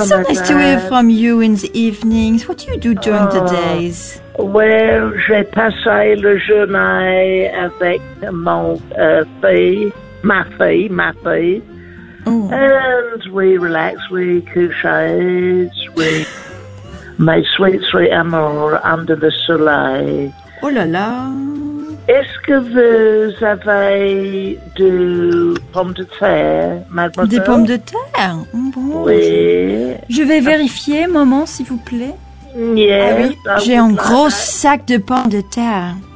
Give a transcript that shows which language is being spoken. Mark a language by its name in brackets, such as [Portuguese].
[English] so nice to hear from you in the evenings. What do you do during the days? [French] Well, j'ai passé le journée avec ma fille. Ooh. [English] And we relaxed, we couchés, we made sweet, sweet amour under the soleil. [French] Oh là là. Est-ce que vous avez du pommes de terre, mademoiselle? Des pommes de terre? Bon. Oui. Je vais vérifier, maman, s'il vous plaît. [English] Yes, [French] ah oui, j'ai un gros sac de pommes de terre.